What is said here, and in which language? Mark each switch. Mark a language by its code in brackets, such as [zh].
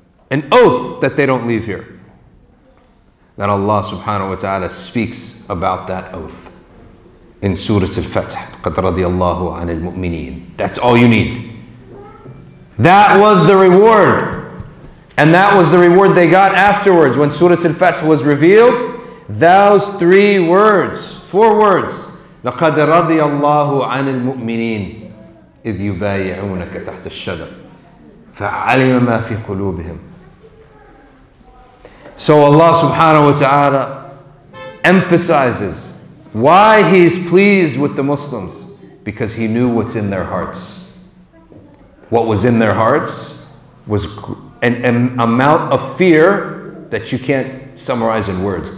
[en] An oath that they don't leave here. That Allah subhanahu wa ta'ala speaks about that oath in Surah Al-Fath, [ar] قَدْ رَضِيَ اللَّهُ عَنِ الْمُؤْمِنِينَ. [en] That's all you need. That was the reward. And that was the reward they got afterwards when Surah Al-Fath was revealed. Those three words, four words, [ar] لَقَدْ رَضِيَ اللَّهُ عَنِ الْمُؤْمِنِينَ إِذْ يُبَايِعُونَكَ تَحْتَ الشَّجَرَةِ فَعَلِمَ مَا فِي قُلُوبِهِمْ. [en] So Allah subhanahu wa ta'ala emphasizes why He is pleased with the Muslims, because He knew what's in their hearts. What was in their hearts was an amount of fear that you can't summarize in words.